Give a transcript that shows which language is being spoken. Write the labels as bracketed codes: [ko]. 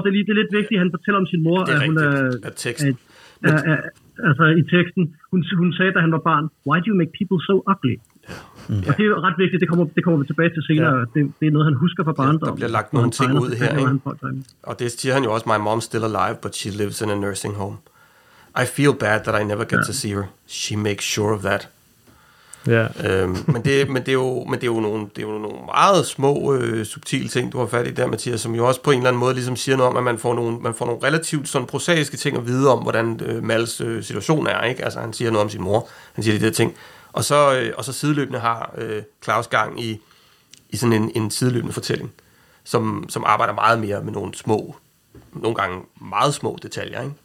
[da] Det er lidt vigtigt, han fortæller om sin mor, at hun er altså i teksten. Hun sagde, da han var barn, [en] why do you make people so ugly? [da] Ja. Og det er ret vigtigt, det kommer vi tilbage til senere. Ja. Det er noget, han husker fra barndommen. Ja, der bliver lagt nogle ting ud her. Og det siger han jo også, [en] my mom still alive, but she lives in a nursing home. I feel bad that I never get to see her. She makes sure of that. Yeah. [da] men det er jo nogle meget små subtile ting du har fat i der, Mathias, som jo også på en eller anden måde ligesom siger noget om, at man får nogle relativt sådan prosaiske ting at vide om hvordan Mals situation er, ikke? Altså han siger noget om sin mor, han siger de der ting, og så sideløbende har Claus gang i sådan en sideløbende fortælling, som arbejder meget mere med nogle små, nogle gange meget små detaljer, ikke?